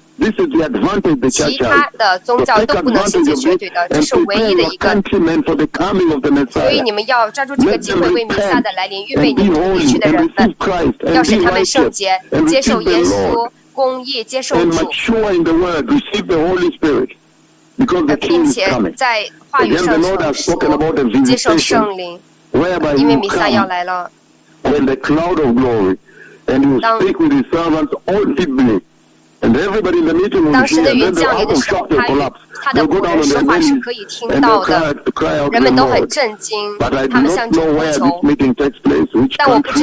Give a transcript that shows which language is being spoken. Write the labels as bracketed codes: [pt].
[en] This is the advantage the church has. So take advantage of it and prepare your countrymen for the coming of the Messiah. Let them repent and be holy and receive Christ and be righteous and receive the Lord and mature in the word, receive the Holy Spirit. [zh] 并且在话语上说接受圣灵，因为弥赛亚来了。 [en] When the cloud of glory, and you speak with his servants audibly, and everybody in the meeting will hear, and then the house of shelter collapse. They go down on their knees, and they cry out to the Lord. But I do not know where this meeting takes place, which country.